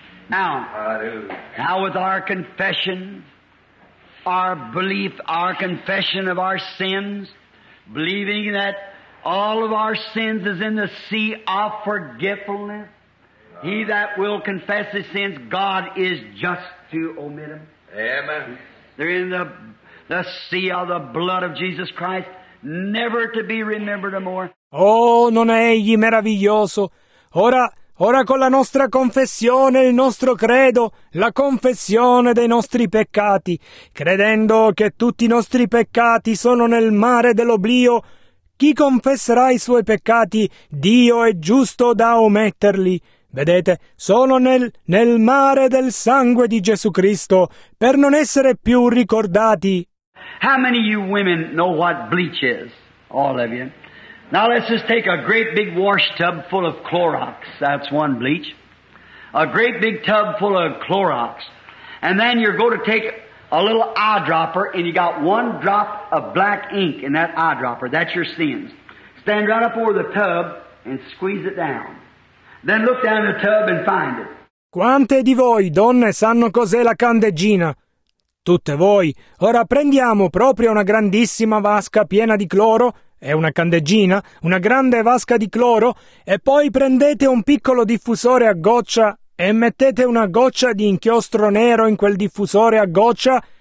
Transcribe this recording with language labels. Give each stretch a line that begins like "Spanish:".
English: Now, with our confession, our belief, our confession of our sins, believing that all of our sins is in the sea of forgetfulness, he that will confess his sins, God is just to omit them. Amen. They're in the sea of the blood of Jesus Christ, never to be remembered more.
Italian: Oh, non è egli meraviglioso? Ora con la nostra confessione, il nostro credo, la confessione dei nostri peccati, credendo che tutti i nostri peccati sono nel mare dell'oblio, chi confesserà i suoi peccati? Dio è giusto da ometterli. Vedete, sono nel mare del sangue di Gesù Cristo, per non essere più ricordati.
English: How many of you women know what bleach is? All of you. Now let's just take a great big wash tub full of Clorox. That's one bleach. A great big tub full of Clorox. And then you're going to take a little eyedropper and you got one drop of black ink in that eyedropper. That's your sins. Stand right up over the tub and squeeze it down. Then look down in the tub and find it.
Italian: Quante di voi, donne, sanno cos'è la candeggina? Tutte voi. Ora prendiamo proprio una grandissima vasca piena di cloro. È una candeggina, una grande vasca di cloro, e poi prendete un piccolo diffusore a goccia e mettete una goccia di inchiostro nero in quel diffusore a goccia.